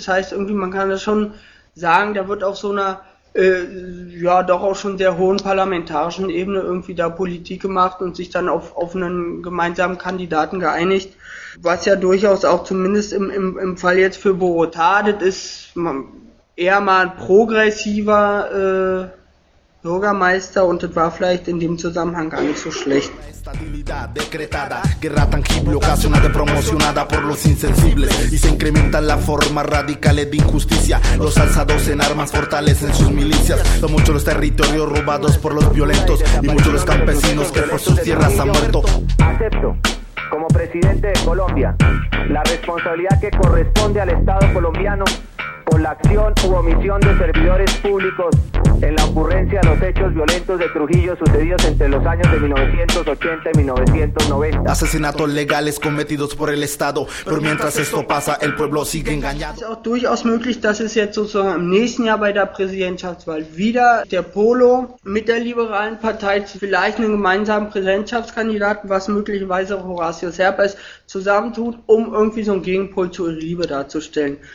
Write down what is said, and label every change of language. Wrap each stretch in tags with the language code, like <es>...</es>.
<de>Das heißt, irgendwie, man kann das schon sagen, da wird auf so einer doch auch schon sehr hohen parlamentarischen Ebene irgendwie da Politik gemacht und sich dann auf einen gemeinsamen Kandidaten geeinigt, was ja durchaus auch zumindest im Fall jetzt für Bogotá, das ist eher mal ein progressiver Bürgermeister und das war vielleicht in dem Zusammenhang gar nicht so schlecht.</de> <es>Estabilidad decretada, guerra tangible ocasionada, promocionada por los insensibles y se incrementan las formas radicales de injusticia. Los alzados en armas fortalecen sus milicias. Son muchos los territorios robados por los violentos y muchos los campesinos que por sus tierras han muerto. Acepto, como presidente de Colombia, la responsabilidad que corresponde al Estado colombiano por la acción u omisión de servidores públicos en la ocurrencia de los hechos violentos de Trujillo sucedidos entre los años de 1980 y 1990. Asesinatos legales cometidos por el Estado, pero mientras esto pasa, el pueblo sigue engañado.</es> <de>Es auch durchaus möglich, dass es jetzt sozusagen im nächsten Jahr bei der Präsidentschaftswahl wieder der Polo mit der liberalen Partei vielleicht einen gemeinsamen Präsidentschaftskandidaten, was möglicherweise Horacio Serpa ist, zusammentut, um irgendwie so einen Gegenpol zu Uribe darzustellen.</de>